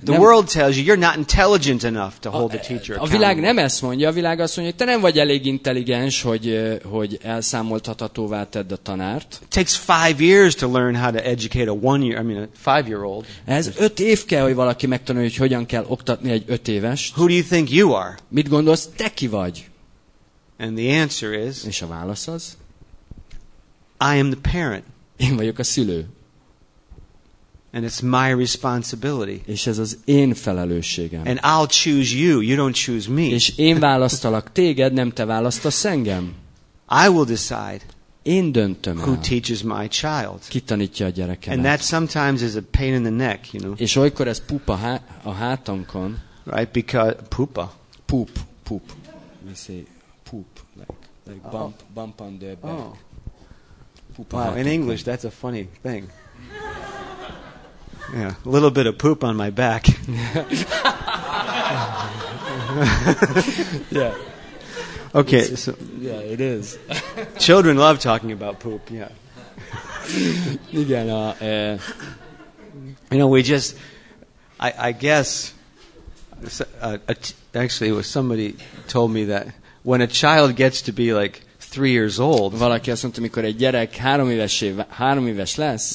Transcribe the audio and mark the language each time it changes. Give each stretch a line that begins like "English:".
English: The world tells you you're not intelligent enough to hold the teacher accountable.
Hungarian: A világ nem ezt mondja, a világ azt mondja, hogy te nem vagy elég intelligens, hogy elszámoltathatóvá tedd a tanárt.
English: It takes 5 years to learn how to educate a 5-year-old.
Hungarian: Ez 5 év kell, hogy valaki megtanulja, hogy hogyan kell oktatni egy 5 évest.
English: Who do you think you are?
Hungarian: Mit gondolsz, te ki vagy?
English: And the answer is.
Hungarian: És a válasz az.
English: I am the parent.
Hungarian: Én vagyok a szülő.
English: And it's my responsibility.
Hungarian: És ez az én felelősségem.
English: And I'll choose you, you don't choose me.
Hungarian: És én választalak téged, nem te választasz engem.
English: I will decide.
Hungarian: Én döntöm
English: who
Hungarian: el.
English: Teaches my child.
Hungarian: Ki tanítja a gyerekemet.
English: And that sometimes is a pain in the neck, you know.
Hungarian: És olykor ez pupa a hátunkon.
English: Right, because pupa. Poop. We say poop, like bump, oh. Bump on the back. Oh. Wow, in English, that's a funny thing. Yeah, a little bit of poop on my back. Yeah. Okay. Yeah, it is. Children love talking about poop. Yeah.
Hungarian: Igen, a,
English: you know, we just, I guess, actually, it was somebody told me that when a child gets to be like 3 years old,
Hungarian: valaki azt mondta, mikor egy gyerek három éves lesz,